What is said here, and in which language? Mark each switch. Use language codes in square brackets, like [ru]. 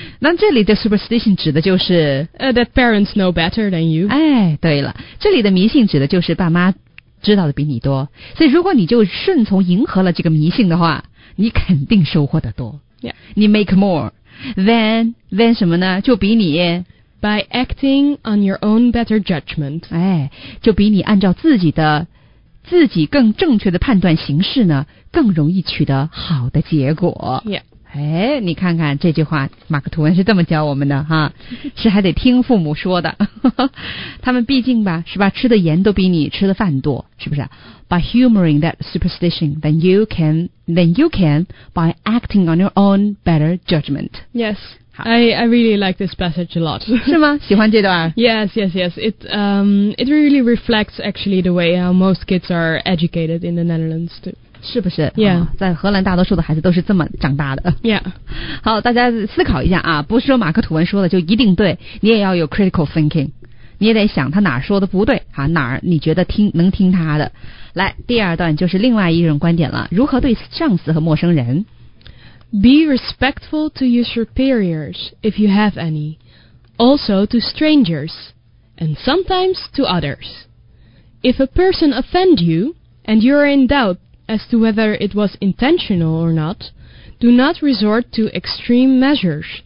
[zh] 那这里的 superstition 指的就是、 [en] that parents know better than you. [zh] 哎，对了，这里的迷信指的就是爸妈知道的比你多。所以如果你就顺从迎合了这个迷信的话，你肯定收获得多。 [en] Yeah. [zh] 你 [en] make more. Then [zh] 什么呢？就比你 [en] By acting on your own better judgment. [zh] 哎，就比你按照自己更正确的判断形式呢，更容易取得好的结果。 [en] Yeah. [zh] 哎，你看看这句话，马克吐温是这么教我们的哈，是还得听父母说的。他们毕竟吧，是吧，吃的盐都比你吃的饭多，是不是？ [en] By humoring that superstition, then you can by acting on your own better judgment. Yes. I really like this passage a lot. [zh] 是吗？喜欢这段？ [en] Yes. It really reflects actually the way how most kids are educated in the Netherlands too. [zh] 是不是？ [en] Yeah.、 [zh] 哦、在荷兰大多数的孩子都是这么长大的。 [en] Yeah. [zh] 好，大家思考一下啊，不是说马克吐温说的就一定对，你也要有 critical thinking， 你也得想他哪儿说的不对啊，哪儿你觉得能听他的。来，第二段就是另外一种观点了，如何对上司和陌生人。 [en] Be respectful to your superiors, if you have any. Also to strangers, and sometimes to others. If a person offends you, and you are in doubt as to whether it was intentional or not, do not resort to extreme measures.